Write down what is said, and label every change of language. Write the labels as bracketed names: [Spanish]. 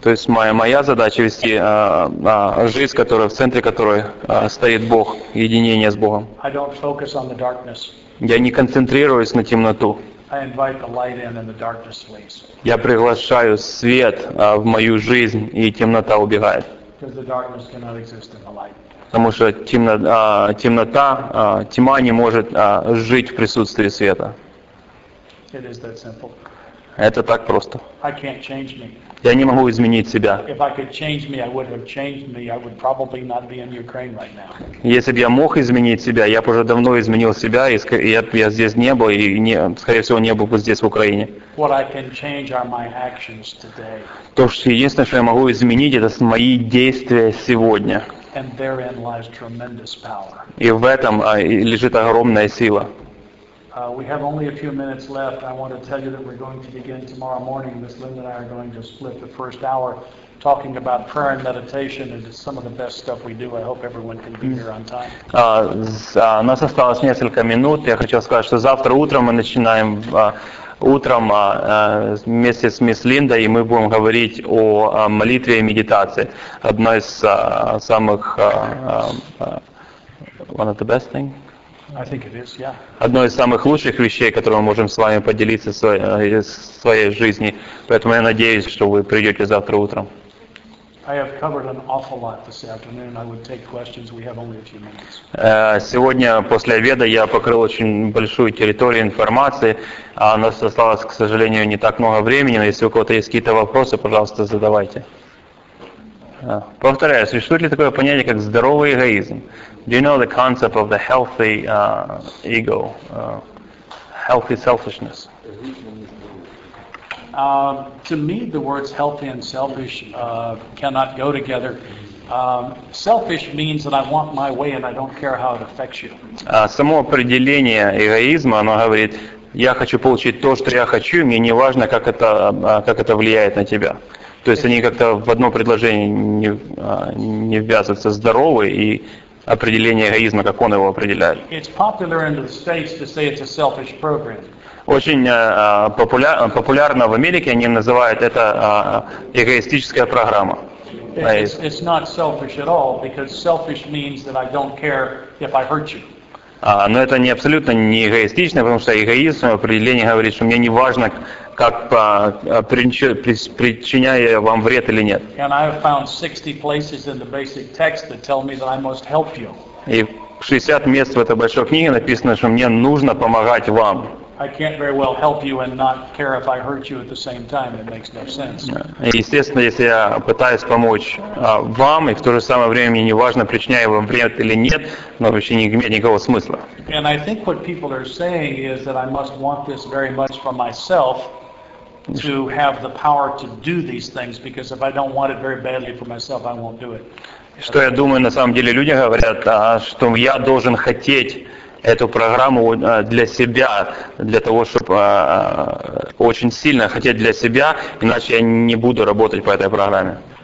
[Russian] То есть моя задача вести жизнь, которая в центре которой стоит Бог, единение с Богом. [English] I don't focus on the darkness. [Russian] Я не концентрируюсь на темноту. [English] I invite the light in, and the darkness flees. [Russian] Я приглашаю свет в мою жизнь, и темнота убегает. [English] Because the darkness cannot exist in the light. [Russian] Потому что тьма не может жить в присутствии света. [English] It is that simple. [Russian] Это так просто. [English] I can't change me. [Russian] Я не могу изменить себя. [English] If I could change me, I would have changed me. I would probably not be in Ukraine right now. [Russian] Если бы я мог изменить себя, я бы уже давно изменил себя, и я здесь не был, и скорее всего, не был бы здесь, в Украине. [English] What I can change are my actions today. [Russian] То, что единственное, что я могу изменить, это мои действия сегодня. [English] And therein lies tremendous power. [Russian] И в этом лежит огромная сила. [English] We have only a few minutes left. I want to tell you that we're going to begin tomorrow morning. Miss Linda and I are going to split the first hour talking about prayer and meditation, and it's some of the best stuff we do. I hope everyone can be here on time. [Russian] У нас осталось несколько минут. Я хочу сказать, что завтра утром мы начинаем утром вместе с мисс Линдой, и мы будем говорить о молитве и медитации. Одно из самых [English] one of the best things. I think it is, yeah. [Russian] Одно из самых лучших вещей, которые мы можем с вами поделиться своей жизни. Поэтому я надеюсь, что вы придете завтра утром. [English] I have covered an awful lot this afternoon. I would take questions. We have only a few minutes. [Russian] Сегодня после обеда я покрыл очень большую территорию информации. У нас осталось, к сожалению, не так много времени. Но если у кого-то есть какие-то вопросы, пожалуйста, задавайте. Повторяю, существует ли такое понятие, как здоровый эгоизм? [English] Do you know the concept of the healthy ego, healthy selfishness? To me, the words healthy and selfish cannot go together. Selfish means that I want my way and I don't care how it affects you. [Russian] Само определение эгоизма, оно говорит, я хочу получить то, что я хочу, мне не важно, как это влияет на тебя. То есть они как-то в одно предложение не ввязываются. Здоровый и определение эгоизма, как он его определяет. [English] It's popular in the States to say it's a selfish program. [Russian] Очень популярно в Америке они называют это эгоистическая программа. [English] It's not selfish at all, because selfish means that I don't care if I hurt you. [Russian] Но это не абсолютно не эгоистично, потому что эгоизм в определении говорит, что мне не важно, как причиняю я вам вред или нет. [English] And I have found 60 places in the basic text that tell me that I must help you. [Russian] И 60 мест в этой большой книге написано, что мне нужно помогать вам. [English] I can't very well help you and not care if I hurt you at the same time. It makes no sense. [Russian] И естественно, если я пытаюсь помочь вам, и в то же самое время мне не важно, причиняю вам вред или нет, но вообще не имеет никакого смысла. [English] And I think what people are saying is that I must want this very much for myself to have the power to do these things, because if I don't want it very badly for myself, I won't do it. [Russian] Что я думаю, на самом деле люди говорят, что я должен хотеть эту программу для себя, для того, чтобы очень сильно хотеть для себя, иначе я не буду работать по этой программе.